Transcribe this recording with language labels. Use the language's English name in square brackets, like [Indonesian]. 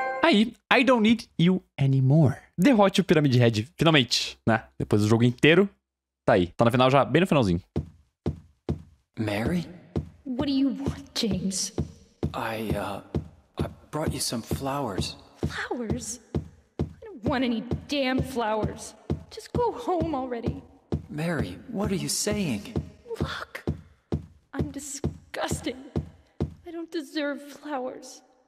[English] Aí, I don't need you anymore. [Portuguese] Derrote o Pyramid Head, finalmente, né? Depois do jogo inteiro, tá aí. Tá na final já, bem no finalzinho. [English] Mary? What do you want, James? I brought you some flowers. Flowers? I don't want any damn flowers. Just go home already. Mary, what are you saying? Look, I'm disgusting. I don't deserve flowers.